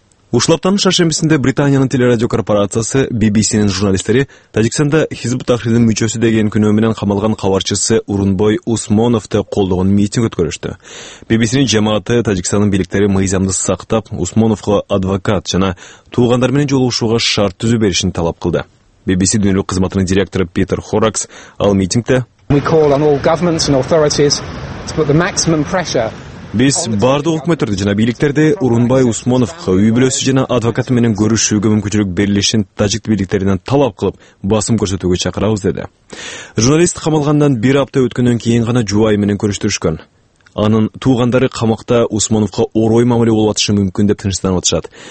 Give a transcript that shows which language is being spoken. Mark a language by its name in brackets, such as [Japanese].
[Kyrgyz] Ушул аптанын шаршембисинде Британиянын телерадиокорпорациясы BBC'нин журналисттери Тажикстанда Хизбут Тахрирдин мүчөсү деген күнөө менен камалган кабарчысы Урунбой Усмоновду колдогон митинг өткөрүштү. BBC'нин жамааты Тажикстандын бийликтери мыйзамды сактап, Усмоновго адвокат жана туугандар менен жолугушууга шарт түзүп беришин талап кылды. BBC дүйнөлүк кызматынын директору Питер Хоракс ал митингде: [English] We call on all governments and authorities to put the maximum pressure. [Kyrgyz] Биз баардык өкмөттөрдү жана бийликтерди Урунбай Усмоновго үй бүлөсү жана адвокаты менен көрүшүүгө мүмкүнчүлүк берилишин тажик бийликтеринен талап кылып басым көрсөтүүгө чакырабыз деди. Журналист камалгандан бир апта өткөндөн кийин гана жубайы менен көрүштүрүшкөн. анын туугандары камакта Усмановго орой мамиле болуп атышы мүмкүн деп тынчтанып атышат.